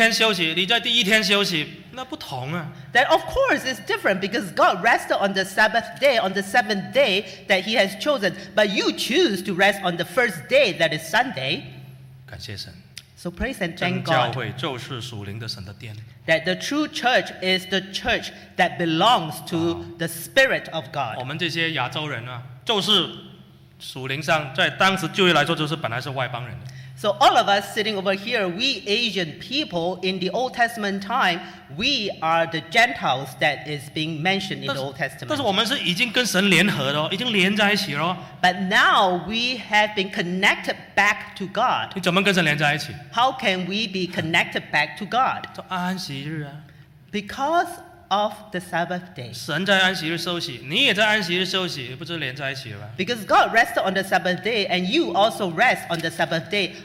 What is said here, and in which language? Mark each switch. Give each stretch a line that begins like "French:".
Chinese: 神创造完天地之后在第七天休息，你在第一天休息，那不同啊。
English: That of course is different because God rested on the Sabbath day, on the seventh day that He has chosen, but you choose to rest on the first day that is Sunday.
Chinese: 感谢神。
English: So praise and thank God.
Chinese: 真教会就是属灵的神的殿。
English: That the true church is the church that belongs to the Spirit of God.
Chinese: 我们这些亚洲人啊，就是属灵上在当时就业来说，就是本来是外邦人。
English: So all of us sitting over here, we Asian people in the Old Testament time, we are the Gentiles that is being mentioned in the Old Testament.
Chinese: 但是我们是已经跟神联合了，已经连在一起了。
English: But now we have been connected back to God.
Chinese: 你怎么跟神连在一起？
English: How can we be connected back to God?
Chinese: 就安息日啊。
English: Because of the Sabbath day.
Chinese: 神在安息日休息，你也在安息日休息，不就连在一起了？
English: Because God rested on the Sabbath day, and you also rest on the Sabbath day.